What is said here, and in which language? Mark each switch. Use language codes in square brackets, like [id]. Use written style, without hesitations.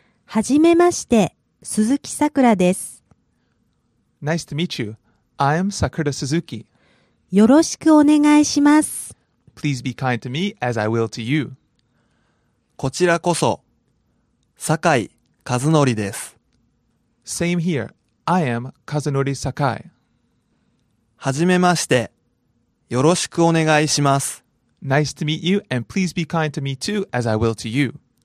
[ja] はじめまして、鈴木さくらです。 [en] Nice to meet you. I'm Sakura Suzuki. [ja] よろしくお願いします。 [en] Please be kind to me as I will to you. [ja] こちらこそ、Sakai Kazunori です。 [en] Same here. I am Kazunori Sakai. [ja] はじめまして。よろしくお願いします。 [en] Nice to meet you and please be kind to me too as I will to you.